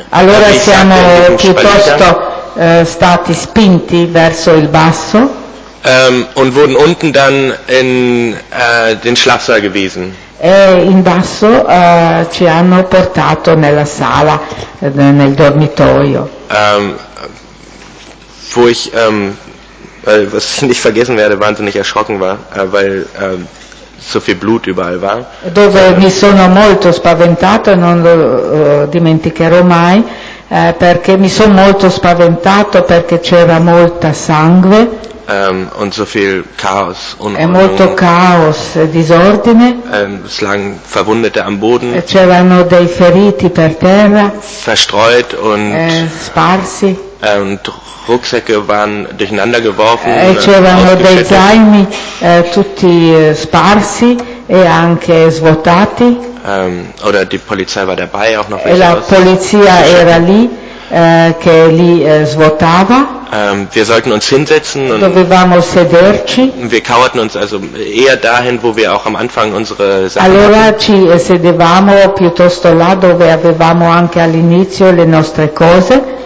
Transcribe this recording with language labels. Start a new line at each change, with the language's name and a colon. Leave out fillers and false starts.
Italian: Allora siamo piuttosto stati spinti verso il basso
German: und wurden unten dann in den Schlafsaal gewiesen.
Italian: E in basso ci hanno portato nella sala, nel dormitorio.
German: Wo ich, weil, was ich nicht vergessen werde, wahnsinnig erschrocken war, weil so viel Blut überall war.
Italian: Dove mi sono molto spaventato e non lo dimenticherò mai. Perché mi sono molto spaventato perché c'era molta sangue
German: und so viel Chaos,
Italian: e molto caos e disordine.
German: Es lagen Verwundete am Boden,
Italian: c'erano dei feriti per terra,
German: verstreut und
Italian: sparsi,
German: und Rucksäcke waren durcheinander geworfen,
Italian: c'erano dei zaini tutti sparsi e anche svuotati.
German: Oder die Polizei war dabei, auch noch
Italian: e la polizia era lì che li svuotava.
German: Wir sollten uns hinsetzen und
Italian: dovevamo sederci.
German: Wir kauerten uns also eher dahin, wo wir auch am Anfang unsere Sachen
Italian: allora
German: hatten.
Italian: Ci sedevamo piuttosto là dove avevamo anche all'inizio le nostre cose.